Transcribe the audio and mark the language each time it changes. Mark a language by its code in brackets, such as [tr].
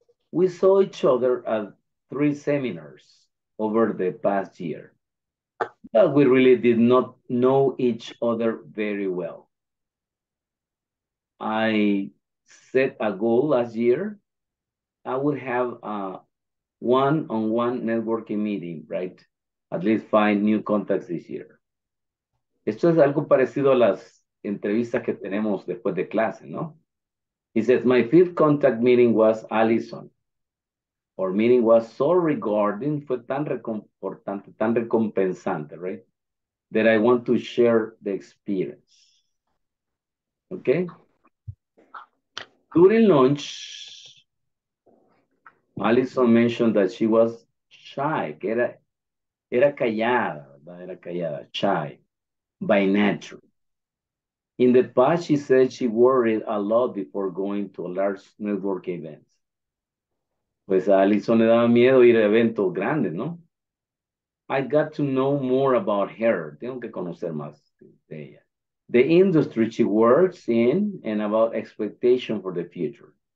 [en] We saw each other at 3 seminars over the past year, but we really did not know each other very well. I set a goal last year. I would have a one-on-one networking meeting, right? At least 5 new contacts this year. [es] Esto es algo parecido a las entrevistas que tenemos después de clase, ¿no? [en] He says, my 5th contact meeting was Allison. Our meeting was so rewarding, [es] fue tan reconfortante, tan recompensante, [en] right? That I want to share the experience. Okay? During lunch, Allison mentioned that she was shy, [es] que era callada, ¿verdad? Era callada, [en] shy. By nature. In the past, she said she worried a lot before going to a large network event. [es] Pues a Alison le daba miedo ir a eventos grandes, ¿no? [en] I got to know more about her. [es] Tengo que conocer más de ella. [en] The industry she works in and about expectation for the future.